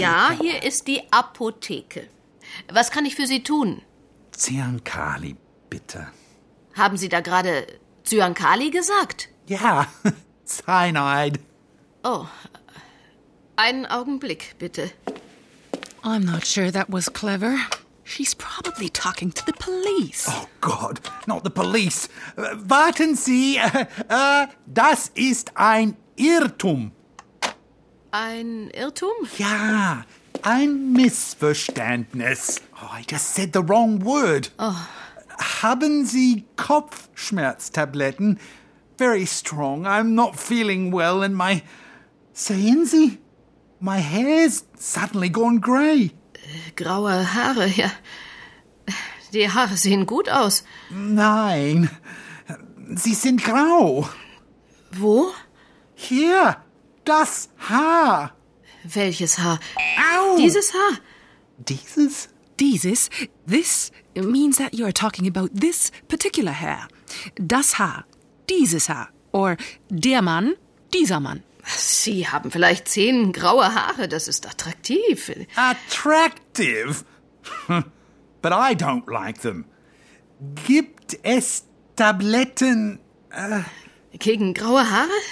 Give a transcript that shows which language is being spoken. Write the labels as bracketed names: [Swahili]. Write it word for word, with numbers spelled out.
[German] Ja, hier ist die Apotheke. Was kann ich für Sie tun? Zyankali, bitte. Haben Sie da gerade Zyankali gesagt? Ja, Cyanide. Oh, einen Augenblick, bitte. [English] I'm not sure that was clever. She's probably talking to the police. [German] Oh Gott, [English] not the police. [German] Äh, warten Sie, äh, äh, das ist ein Irrtum. Ein Irrtum? Ja, ein Missverständnis. [English] Oh, I just said the wrong word. Oh. [German] Haben Sie Kopfschmerztabletten? [English] Very strong. I'm not feeling well and my... [German] Sehen Sie? [English] My hair's suddenly gone grey. [German] Graue Haare, ja. Die Haare sehen gut aus. Nein, sie sind grau. Wo? Hier, das Haar. Welches Haar? Au! Dieses Haar. Dieses? Dieses? [English] This means that you are talking about this particular hair. [German] Das Haar, dieses Haar. Or der Mann, dieser Mann. Sie haben vielleicht zehn graue Haare, das ist attraktiv. [English] Attractive? But I don't like them. [German] Gibt es Tabletten... Äh Gegen graue Haare?